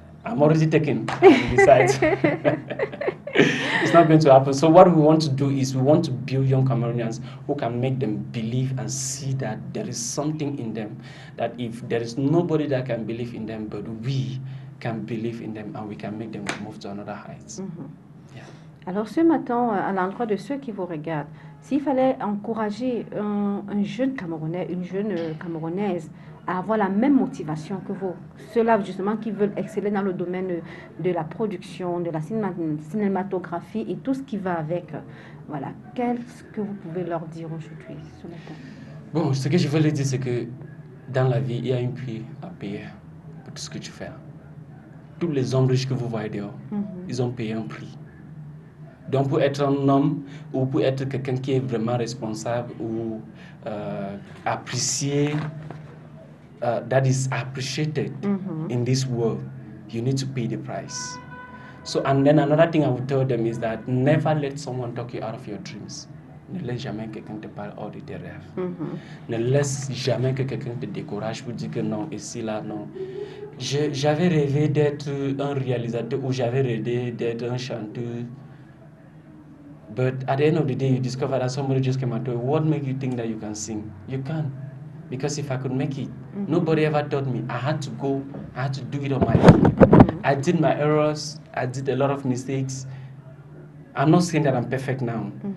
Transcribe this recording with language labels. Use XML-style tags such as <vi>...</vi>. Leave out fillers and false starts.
<en>I'm already taken, besides. It's not going to happen. So what we want to do is we want to build young Cameroonians who can make them believe and see that there is something in them, that if there is nobody that can believe in them, but we can believe in them and we can make them move to another height. Yeah.</en> <fr>Alors ce matin, à l'endroit de ceux qui vous regardent, s'il fallait encourager un jeune Camerounais, une jeune Camerounaise avoir la même motivation que vous. Ceux-là, justement, qui veulent exceller dans le domaine de la production, de la cinématographie et tout ce qui va avec. Voilà. Qu'est-ce que vous pouvez leur dire aujourd'hui sur le thème? Bon, ce que je veux leur dire, c'est que dans la vie, il y a un prix à payer pour tout ce que tu fais. Tous les hommes riches que vous voyez dehors, ils ont payé un prix. Donc, pour être un homme ou pour être quelqu'un qui est vraiment responsable ou apprécié,</fr> <en>that is appreciated in this world, you need to pay the price. So, and then another thing I would tell them is that never let someone talk you out of your dreams.</en> <fr>Ne laisse jamais quelqu'un te parler hors de tes rêves. Ne laisse jamais que quelqu'un te décourage pour dire que non, ici, là, non. J'avais rêvé d'être un réalisateur ou j'avais rêvé d'être un chanteur.</fr> <en>But at the end of the day, you discover that somebody just came and told you, what makes you think that you can sing? You can't. Because if I could make it, nobody ever taught me. I had to go. I had to do it on my own. I did my errors. I did a lot of mistakes. I'm not saying that I'm perfect now.</en>